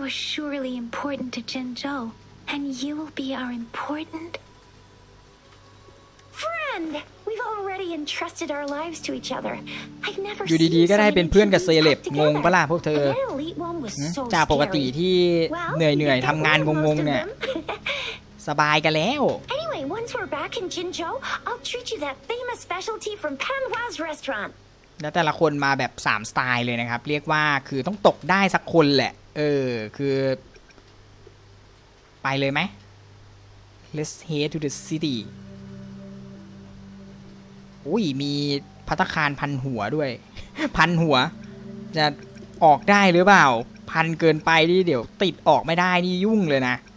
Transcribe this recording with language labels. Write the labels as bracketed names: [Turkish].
[English] You are surely important to Chenzhou, and you will be our important friend. We've already entrusted our lives to each other. I've never seen [Thai] ดีๆก็ได้เป็นเพื่อนกับเซเลบงงป่ะล่ะพวกเธ อ จากปกติที่เหนื่อยๆทำงานงงๆเนี่ยสบายกันแล้ว [English] Anyway, once we're back in Jinjo, I'll treat you that famous specialty from Pan Hua's restaurant. [Thai] แล้วแต่ละคนมาแบบ3สไตล์เลยนะครับเรียกว่าคือต้องตกได้สักคนแหละเออคือไปเลยไหม [English] Let's head to the city [Thai] อุ้ยมีพัตคารพันหัวด้วยพันหัวจะออกได้หรือเปล่าพันเกินไปนี่เดี๋ยวติดออกไม่ได้นี่ยุ่งเลยนะ